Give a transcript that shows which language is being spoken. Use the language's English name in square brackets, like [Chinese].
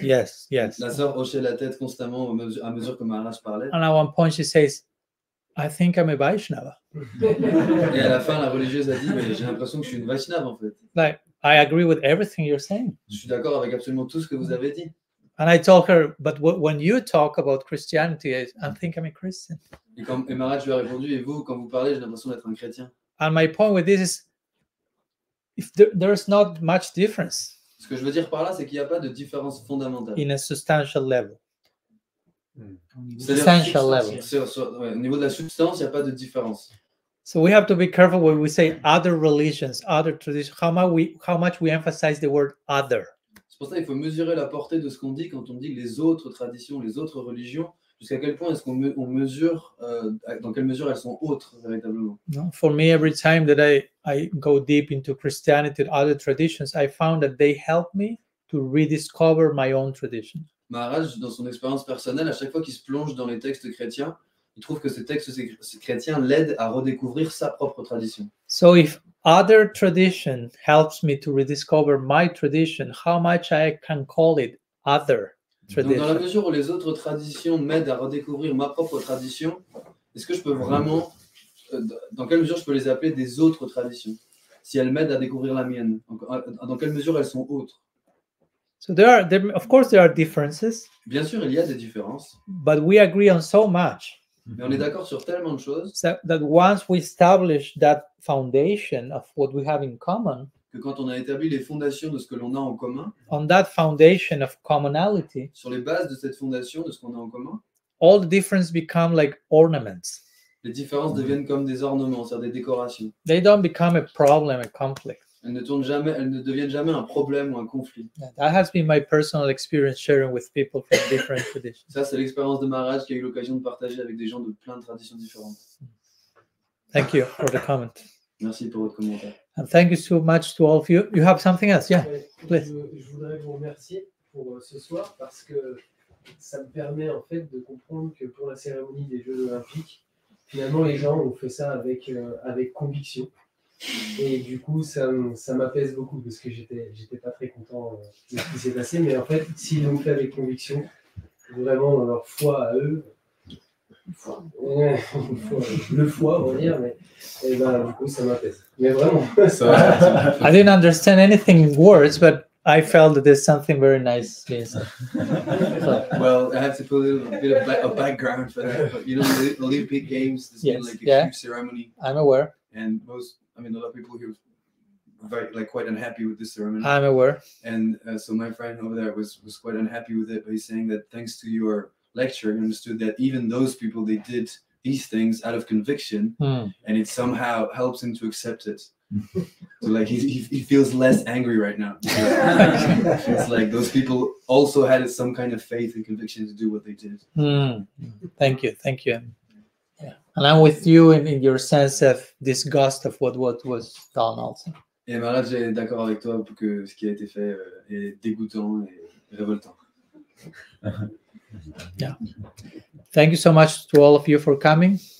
[French] La sœur hochait la tête constamment à mesure que Maharaj parlait. [English] And at one point she says, I think I'm a Vaishnava. [French] Et à la fin la religieuse a dit, mais j'ai l'impression que je suis une Vaishnava en fait. [English] Like, I agree with everything you're saying. [French] Je suis d'accord avec absolument tout ce que vous avez dit. [English] And I told her, but when you talk about Christianity, I think I'm a Christian. [French] Et Maharaj lui a répondu, et vous, quand vous parlez, j'ai l'impression d'être un chrétien. [English] And my point with this is, if there's not much difference. [French] Ce que je veux dire par là, c'est qu'il n'y a pas de différence fondamentale. [English] In a substantial level. Substantial level. [French] Au niveau de la substance, il n'y a pas de différence. [English] So we have to be careful when we say other religions, other traditions, how much we emphasize the word other. [French] C'est pour ça qu'il faut mesurer la portée de ce qu'on dit quand on dit les autres traditions, les autres religions, jusqu'à quel point est-ce qu'on mesure, dans quelle mesure elles sont autres véritablement. [English] For me, every time that I go deep into Christianity and other traditions, I found that they help me to rediscover my own tradition. [French] Maharaj, dans son expérience personnelle, à chaque fois qu'il se plonge dans les textes chrétiens, il trouve que ces textes chrétiens l'aident à redécouvrir sa propre tradition. [English] So if other tradition helps me to rediscover my tradition, how much I can call it other tradition? [French] Donc dans la mesure où les autres traditions m'aident à redécouvrir ma propre tradition, est-ce que je peux vraiment, dans quelle mesure je peux les appeler des autres traditions, si elles m'aident à découvrir la mienne? Dans quelle mesure elles sont autres? [English] So there are, there, of course, there are differences. [French] Bien sûr, il y a des différences. [English] But we agree on so much. [French] Mais on est d'accord sur tellement de choses. [English] So that once we establish that foundation of what we have in common. [French] Que quand on a établi les fondations de ce que l'on a en commun. [English] On that foundation of commonality. [French] Sur les bases de cette fondation de ce qu'on a en commun. [English] All the differences become like ornaments. [French] Les différences deviennent comme des ornements, c'est-à-dire des décorations. [English] They don't become a problem, a conflict. [French] Elles ne deviennent jamais un problème ou un conflit. [English] That has been my personal experience sharing with people from different traditions. [French] Ça, c'est l'expérience de Maharaj qui a eu l'occasion de partager avec des gens de plein de traditions différentes. [English] Thank you for the comment. [French] Merci pour votre commentaire. [English] And thank you so much to all of you. You have something else? Yeah, please. [French] Je voudrais vous remercier pour ce soir parce que ça me permet en fait de comprendre que pour la cérémonie des Jeux Olympiques, finalement, les gens ont fait ça avec, avec conviction. Et du coup, ça m'apaise beaucoup parce que j'étais pas très content de ce qui s'est passé. Mais en fait, s'ils l'ont fait avec conviction, vraiment dans leur foi à eux, le foi, on va dire, mais et ben, du coup, ça m'apaise. Mais vraiment, [English] I didn't understand anything in words, but I felt that there's something very nice. Yes. Well, I have to put a little bit of a background for that. But, you know, the Olympic Games, there's been like a huge ceremony. I'm aware. And most, I mean, a lot of people here were very, like, quite unhappy with this ceremony. I'm aware. And so my friend over there was quite unhappy with it. But he's saying that thanks to your lecture, he understood that even those people, they did these things out of conviction. Mm. And it somehow helps him to accept it. So like he feels less angry right now. It's like those people also had some kind of faith and conviction to do what they did. Mm. Thank you. Yeah. And I'm with you in your sense of disgust of what was done also. [French] Et Maharaj est d'accord avec toi pour que ce qui a été fait est dégoûtant et révoltant. [English] Yeah. Thank you so much to all of you for coming.